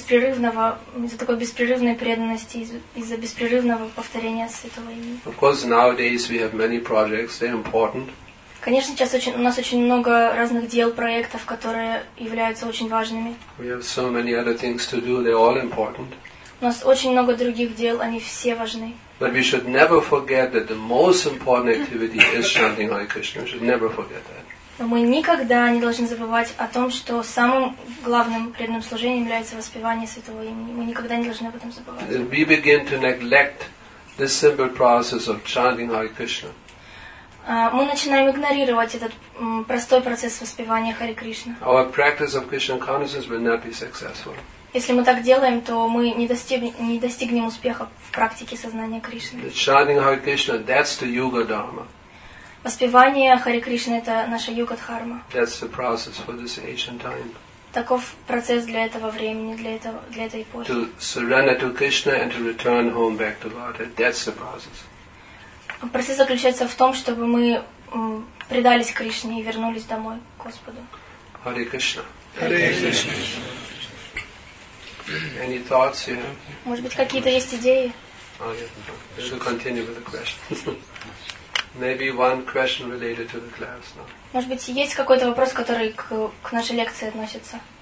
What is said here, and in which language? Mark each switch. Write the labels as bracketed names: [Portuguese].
[Russian] Из-за такой беспрерывной преданности, из-за беспрерывного повторения святого имени. [English] Of course, nowadays we have many projects. They're important. [Russian] Конечно, сейчас у нас очень много разных дел, проектов, которые являются очень важными. [English] We have so many other things to do. They're all important. [Russian] У нас очень много других дел. Они все важны. [English] But we should never forget that the most important activity is chanting Hare Krishna. We should never forget that. [Russian] Но мы никогда не должны забывать о том, что самым главным преданным служением является воспевание Святого Имени. Мы никогда не должны об этом забывать. [English] We begin to neglect this simple process of chanting Hare Krishna. [Russian] Мы начинаем игнорировать этот простой процесс воспевания Харе Кришна. [English] Our practice of Krishna consciousness will not be successful. [Russian] Если мы так делаем, то мы не достигнем успеха в практике сознания Кришны. [English] The chanting Hare Krishna, that's the yoga dharma. [Russian] Воспевание Харе Кришны — это наша йога-дхарма. [English] That's the process for this ancient time. [Russian] Таков процесс для этого времени, для этой эпохи. [English] To surrender to Krishna and to return home back to Godhead. That's the process. [Russian] Процесс заключается в том, чтобы мы предались Кришне и вернулись домой к Господу. Харе Кришна. Харе Кришна. [English] Any thoughts here? [Russian] Может быть, какие-то есть идеи? [English] Oh, yeah. We'll continue with the questions. Maybe one question related to the class now. [Russian] Может быть, есть какой-то вопрос, который к нашей лекции относится?